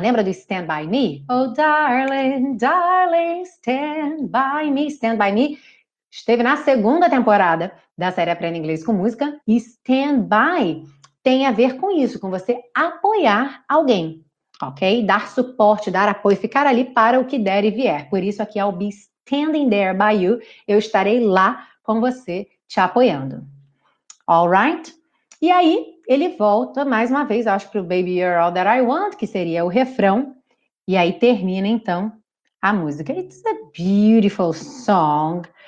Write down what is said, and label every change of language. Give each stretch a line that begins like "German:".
Portuguese: Lembra do stand by me?
English: Oh, darling, darling, stand by me.
Portuguese: Esteve na segunda temporada da série Aprenda Inglês com Música. E stand by tem a ver com isso, com você apoiar alguém, ok? Dar suporte, dar apoio, ficar ali para o que der e vier. Por isso aqui,
English: I'll be standing there by you.
Portuguese: Eu estarei lá com você, te apoiando.
English: All right?
Portuguese: E aí, ele volta mais uma vez, acho, pro Baby, You're All That I Want, que seria o refrão. E aí termina, então, a música.
English: It's a beautiful song.